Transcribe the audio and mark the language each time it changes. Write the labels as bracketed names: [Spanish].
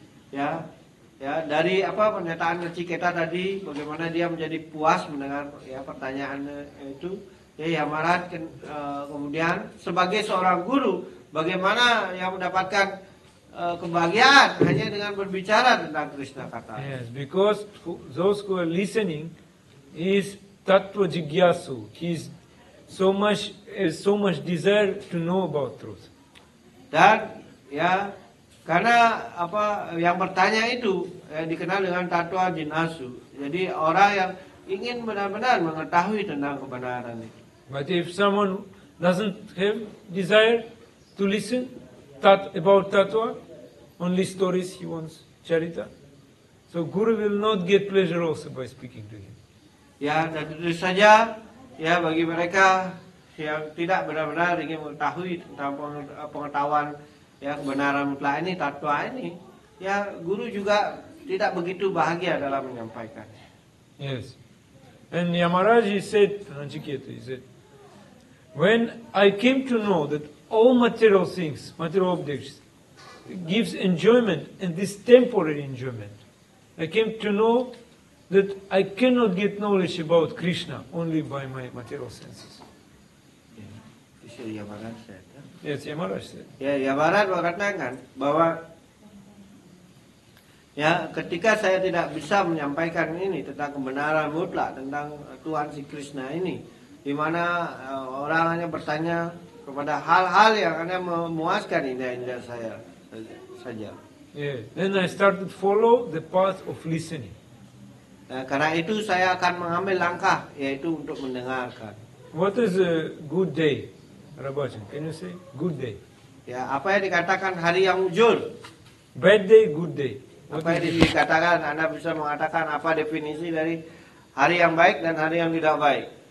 [Indonesian] Ya dari apa pernyataan Nachiketa tadi, bagaimana dia menjadi puas mendengar ya pertanyaan itu, ya Yamaraj kemudian sebagai seorang guru, bagaimana yang mendapatkan kebahagiaan hanya dengan berbicara tentang Krishna kata. [English] Yes, because those who are listening is tattva jigyasu. He is so much desire to know about truth. [Indonesian] Dan ya karena apa yang bertanya itu ya, dikenal dengan tattva jinasu. Jadi orang yang ingin benar-benar mengetahui tentang kebenaran itu. [English] But if someone doesn't have desire to listen that about tattva, only stories he wants, charita. So guru will not get pleasure also by speaking to him. [Indonesian] Ya, dan itu saja, ya bagi mereka yang tidak benar-benar ingin mengetahui tentang pengetahuan ya kebenaran mutlak ini, tattva ini, ya guru juga tidak begitu bahagia dalam menyampaikannya. [English] Yes. And Yamaraj said, Nachiketa, he said, when I came to know that all material things, material objects, gives enjoyment and this temporary enjoyment. I came to know that I cannot get knowledge about Krishna only by my material senses. Yeah. Itu Yamaraj said. Yes, Yamaraj said. [Indonesian] Ya, Yamaraj mengatakan bahwa ya ketika saya tidak bisa menyampaikan ini tentang kebenaran mutlak tentang Tuhan si Krishna ini, di mana orang hanya bertanya kepada hal-hal yang hanya memuaskan indah-indah saya saja. [English] Yeah. Then I started follow the path of listening. [Indonesian] Karena itu saya akan mengambil langkah yaitu untuk mendengarkan. [English] What is a good day, Rabajan? Can you say good day? [Indonesian] Ya, yeah, apa yang dikatakan hari yang ujur? [English] Bad day, good day. [Indonesian] What apa yang dikatakan? Anda bisa mengatakan apa definisi dari hari yang baik dan hari yang tidak baik?